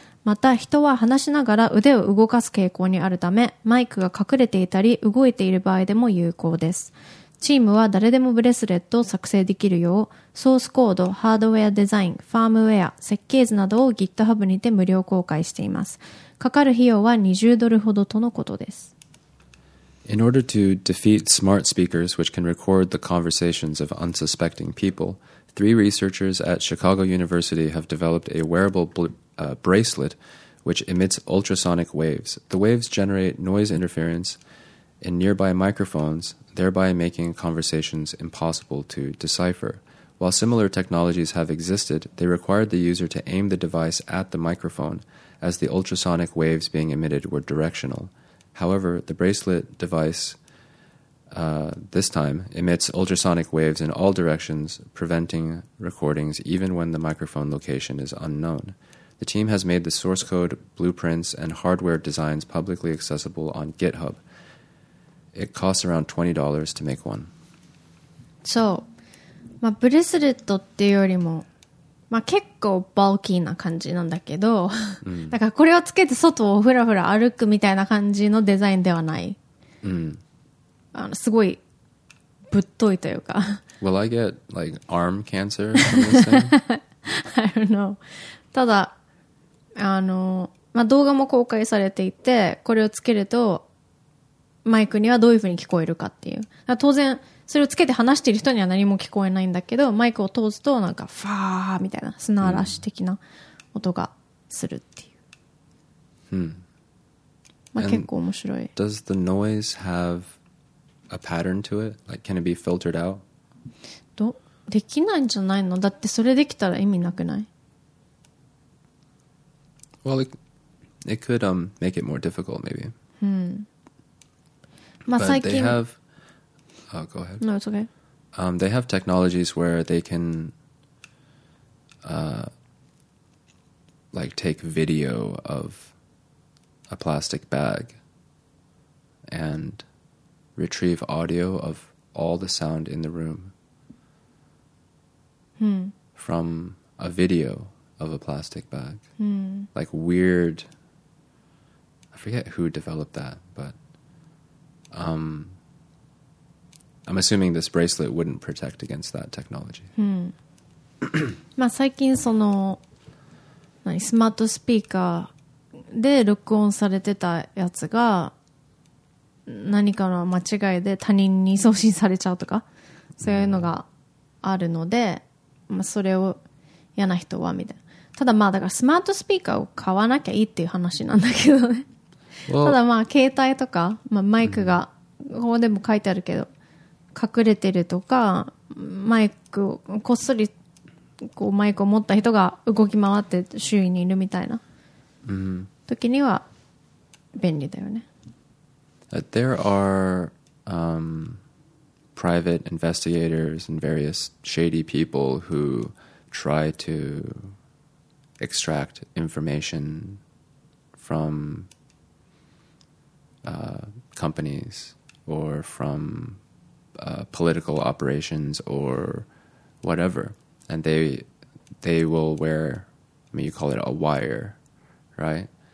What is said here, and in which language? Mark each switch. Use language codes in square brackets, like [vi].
[ja] また人は話しながら腕を動かす傾向にあるためマイクが隠れていたり動いている場合でも有効です。チームは誰でもブレスレットを作成できるようソースコード、ハードウェアデザイン、ファームウェア、設計図などを GitHub にて無料公開しています。かかる費用は20ドルほどとのことです。 [en] In order to defeat smart speakers which can record the conversations of unsuspecting people, three researchers at Chicago University have developed a wearable bracelet which emits ultrasonic waves. The waves generate noise interference in nearby microphones, thereby making conversations impossible to decipher. While similar technologies have existed, they required the user to aim the device at the microphone, as the ultrasonic waves being emitted were directional. However, the bracelet device this time emits ultrasonic waves in all directions, preventing recordings even when the microphone location is unknown. The team has made the source code, blueprints, and hardware designs publicly accessible on GitHub. It costs around $20 to make one. [ja] So, まあ、ブレスレットっていうよりも、まあ、結構バルキーな感じなんだけど、だからこれをつけて外をフラフラ歩くみたいな感じのデザインではない。うん、あのすごいぶっといというか。 [en] Will I get like arm cancer from this thing? I don't know. [ja] ただ、あの、まあ、動画も公開されていて、これをつけるとマイクにはどういう風に聞こえるかっていう。だから当然、それをつけて話している人には何も聞こえないんだけど、マイクを通すとなんかファーみたいな砂嵐的な音がするっていう。うん。まあ、結構面白い。 [en] Does the noise have a pattern to it? Like, can it be filtered out? [ja] どできないんじゃないの？だってそれできたら意味なくない？ [en] Well, it could make it more difficult, maybe. [ja] うん。まあ、最近。 [en] Oh, go ahead. No, it's okay. They have technologies where they can, like take video of a plastic bag and retrieve audio of all the sound in the room from a video of a plastic bag. Like weird. I forget who developed that, but, I'm assuming this bracelet wouldn't protect against that technology. [ja] まあ最近その何スマートスピーカーで録音されてたやつが何かの間違いで他人に送信されちゃうとかそういうのがあるので、まあ、それを嫌な人はみたいな。ただまあだからスマートスピーカーを買わなきゃいいっていう話なんだけどね。 [en] Well, [ja] ただまあ携帯とか、まあ、マイクがここでも書いてあるけど隠れてるとかマイクこっそりこうマイクを持った人が動き回って周囲にいるみたいな、 mm-hmm. 時には便利だよね。 [en] There are private investigators and various shady people who try to extract information from companies or frompolitical operations or whatever, and they will wear, I mean, you call it a wire, right?